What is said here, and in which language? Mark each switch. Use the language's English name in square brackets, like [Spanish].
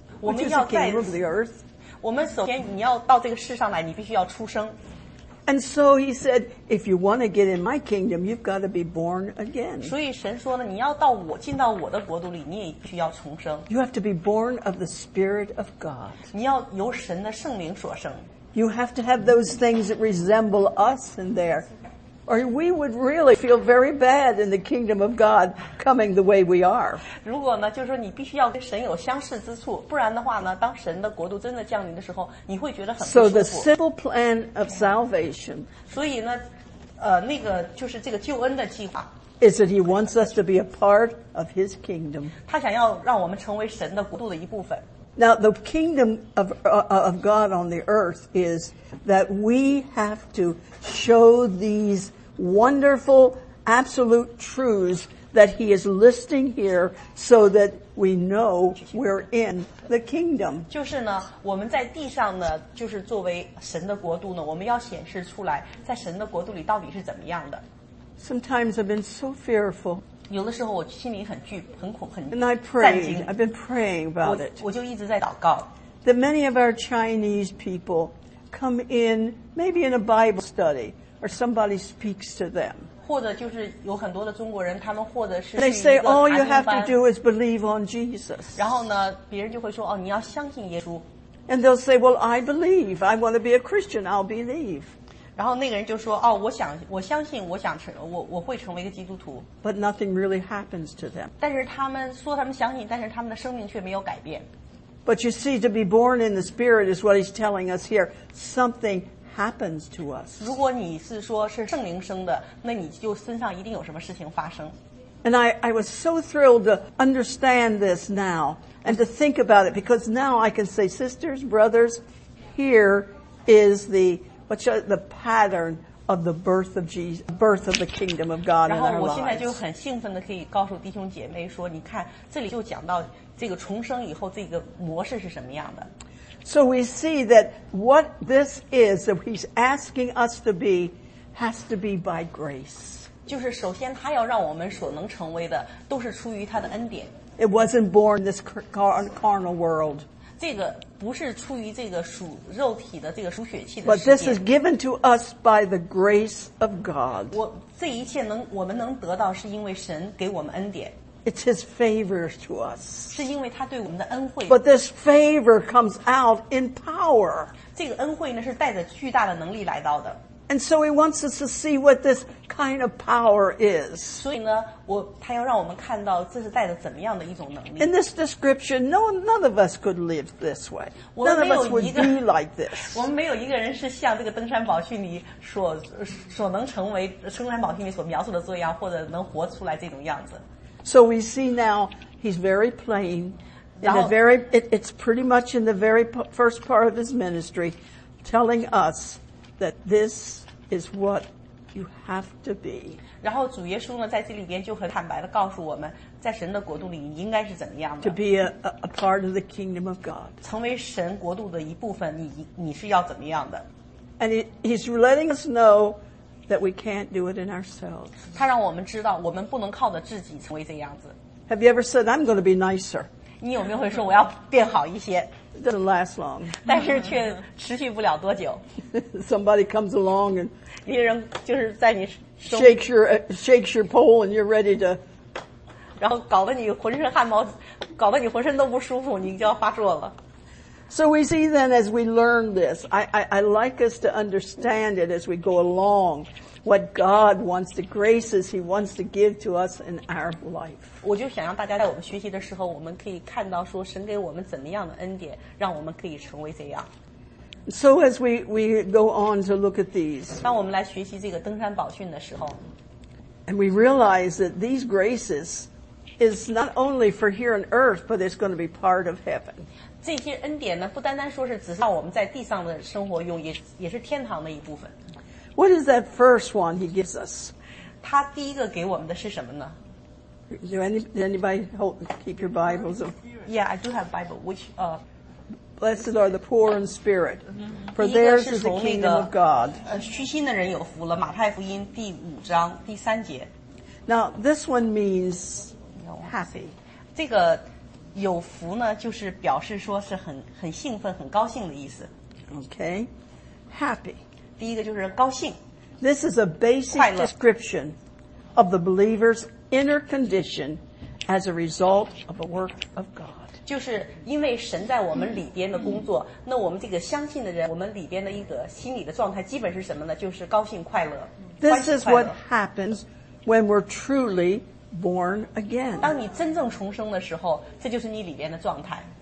[Chinese] 我们要在 [English] kingdom of the earth. [Chinese] 我们首先你要到这个世上来，你必须要出生。 [English] And so he said, if you want to get in my kingdom, you've got to be born again. [Chinese] 所以神说呢，你要到我进到我的国度里，你也必须要重生。 [English] You have to be born of the Spirit of God. [Chinese] 你要由神的圣灵所生。 [English] You have to have those things that resemble us in there. Or we would really feel very bad in the kingdom of God coming the way we are. [Chinese] 如果呢，就是说你必须要跟神有相似之处，不然的话呢，当神的国度真的降临的时候，你会觉得很不舒服。 [English] So the simple plan of salvation. [Chinese] 所以呢，那个就是这个救恩的计划。 [English] Is that He wants us to be a part of His kingdom. [Chinese] 他想要让我们成为神的国度的一部分。 [English] Now the kingdom of God on the earth is that we have to show these wonderful absolute truths that he is listing here so that we know we're in the kingdom. [Chinese] 就是呢我们在地上呢就是作为神的国度呢我们要显示出来在神的国度里到底是怎么样的。 [English] Sometimes I've been so fearful. [Chinese] 有的时候我心里很恐 [English] And I prayed, I've been praying about it. [Chinese] 我就一直在祷告。 [English] That many of our Chinese people come in, maybe in a Bible study, or somebody speaks to them. [Chinese] 或者就是有很多的中国人他们或者是 [English] They say, all you have to do is believe on Jesus. [Chinese] 然后呢别人就会说哦，你要相信耶稣。 [English] And they'll say, well, I believe. I want to be a Christian. I'll believe. [Chinese] 然后那个人就说：“哦，我相信，我会成为一个基督徒。” [English] But nothing really happens to them. [Chinese] 但是他们说他们相信，但是他们的生命却没有改变。 [English] But you see, to be born in the Spirit is what he's telling us here. Something happens to us. [Chinese] 如果你是说是圣灵生的，那你就身上一定有什么事情发生。 [English] And I was so thrilled to understand this now and to think about it because now I can say, sisters, brothers, here is the. But the pattern of the birth of Jesus, birth of the kingdom of God in our lives. [Chinese] 然后我现在就很兴奋的可以告诉弟兄姐妹说，你看这里就讲到这个重生以后这个模式是什么样的。 [English] So we see that what this is that he's asking us to be has to be by grace. [Chinese] 就是首先他要让我们所能成为的都是出于他的恩典。 [English] It wasn't born this carnal world. [Chinese] 这个不是出于这个属肉体的这个属血气的世界。 [English] But this is given to us by the grace of God. [Chinese] 我这一切能我们能得到，是因为神给我们恩典。 [English] It's his favor to us. [Chinese] 是因为他对我们的恩惠。 [English] But this favor comes out in power. [Chinese] 这个恩惠呢是带着巨大的能力来到的。 [English] And so he wants us to see what this kind of power is. [Chinese] 所以呢，我他要让我们看到这是带着怎么样的一种能力。 [English] In this description, none of us could live this way. None of us would be like this. [Chinese] 我们没有一个人是像这个登山宝训里所能成为登山宝训里所描述的这样，或者能活出来这种样子。 [English] So we see now he's very plain, it's pretty much in the very first part of his ministry, telling us that this is what you have to be. [Chinese] 然后主耶稣呢，在这里边就很坦白的告诉我们，在神的国度里你应该是怎么样的。 [English] To be a part of the kingdom of God. [Chinese] 成为神国度的一部分，你是要怎么样的。 [English] And he's letting us know. That we can't do it in ourselves. [Chinese] 他让我们知道，我们不能靠着自己成为这样子。 [English] Have you ever said I'm going to be nicer? [Chinese] 你有没有会说我要变好一些？ [English] Doesn't last long. [Chinese] 但是却持续不了多久。 [English] Somebody comes along and [Chinese] 一个人就是在你 [English] shakes your pole and you're ready to. [Chinese] 然后搞得你浑身汗毛，搞得你浑身都不舒服，你就要发作了。 [English] So we see then as we learn this, I like us to understand it as we go along, what God wants, the graces he wants to give to us in our life. [Chinese] 我就想让大家在我们学习的时候，我们可以看到说神给我们怎么样的恩典，让我们可以成为这样。 [English] So as we go on to look at these, [Chinese] 当我们来学习这个登山宝训的时候， [English] and we realize that these graces is not only for here on earth, but it's going to be part of heaven. [Chinese] 这些恩典呢，不单单说是只是让我们在地上的生活用，也是天堂的一部分。 [English] What is that first one he gives us? [Chinese] 他第一个给我们的是什么呢？ [English] Do anybody keep your Bibles? Yeah, I do have Bible. Which, blessed are the poor in spirit, for theirs is the kingdom of God. [Chinese] 虚心的人有福了，马太福音第五章第三节。 [English] Now this one means happy. [Chinese] 这个。有福呢，就是表示说是很兴奋、很高兴的意思。 [English] Okay, happy. [Chinese] 第一个就是高兴。 [English] This is a basic description of the believer's inner condition as a result of the work of God. [Chinese] 就是因为神在我们里边的工作，那我们这个相信的人，我们里边的一个心理的状态，基本是什么呢？就是高兴、快乐。 [English] This is what happens when we're truly. Born again. [Chinese] 当你真正重生的时候，这就是你里边的状态。